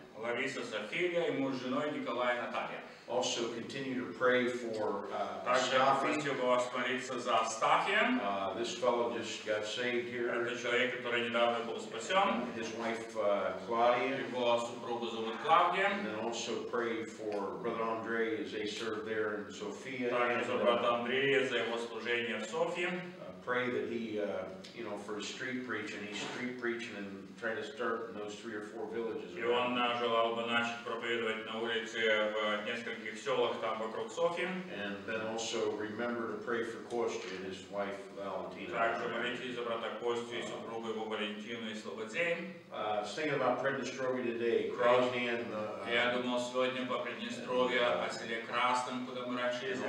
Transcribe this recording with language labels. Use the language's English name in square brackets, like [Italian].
[Russian] Лариса, София и муж с женой Николай и Наталья. [English] Also continue to pray for [Russian] Астафия. [English] This fellow just got saved here. [Russian] Это человек, который недавно был спасен. [English] His wife Claudia. [Russian] Его супруга зовут Клавдия. [English] And then also pray for brother Andre as they serve there in Sofia. [Russian] Также за брата Андрея за его служение в Софии. [English] Pray that he, you know, for street preaching. He's street preaching and trying to start in those three or four villages. [Russian] И он желал бы начать проповедовать на улице в нескольких селах там вокруг Софии. [English] And then also remember to pray for Костя and his wife Valentina. [Russian] Также молитесь за брата Костю и супругу его Валентину и Слободзей. [English] Thinking about Приднестровье today, Krasny and the. [Russian] Я думал сегодня по Приднестровье о селе Красном, куда мы раньше ездили.